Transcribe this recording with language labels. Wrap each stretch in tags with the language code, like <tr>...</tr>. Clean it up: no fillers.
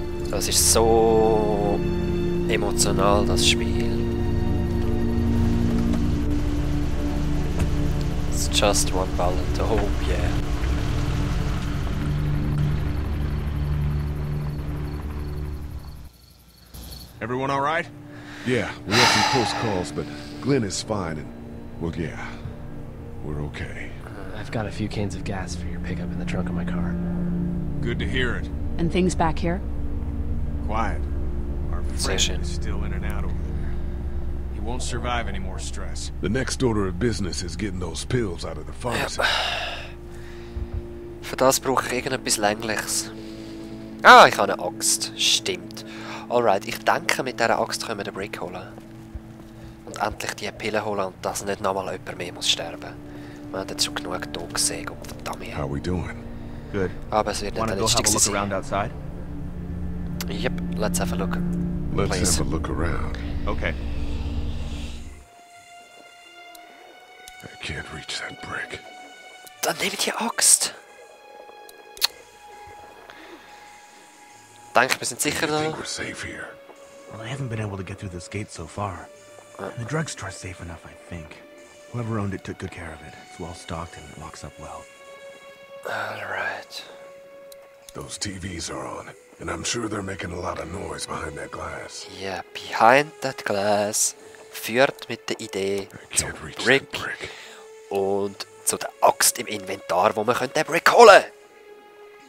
<de>Das ist so emotional, das Spiel.</de> <en>It's just one ballad to hope, yeah. Everyone all right? Yeah, we had some close calls, but Glenn is fine and, well, yeah, we're okay. I've got a few cans of gas for your pickup in the trunk of my car. Good to hear it. And things back here? Quiet. Our friend is still in and out over there. He won't survive any more stress. The next order of business is getting those pills out of the pharmacy.</en> <de>Für das brauche ich irgendetwas Längliches. Ah, ich habe eine Axt. Stimmt.</de> <en>Alright,</en> <de>ich denke, mit dieser Axt können wir den Brick holen. Und endlich die Pille holen und dass nicht nochmal jemand mehr muss sterben. Wir haben jetzt schon genug Tod gesehen, Gott verdammt.</de> <en>How are we doing? Good.</en> <de>Aber es wird nicht der letzte sein.</de> <en>Yep, let's have a look. Let's please. Have a look around. Okay. I can't reach that brick.</en> <de>Dann nehmt die Axt. Denk, wir sind sicher da.</de> <en>We're safe here. Well, I haven't been able to get through this gate so far. The drugstore's safe enough, I think. Whoever owned it took good care of it. It's well stocked and it locks up well. All right. Those TVs are on, and I'm sure they're making a lot of noise behind that glass. Yeah, behind that glass</en> <de>führt mit der Idee zum Brick, Brick und zu der Axt im Inventar, wo man den Brick holen könnte.</de>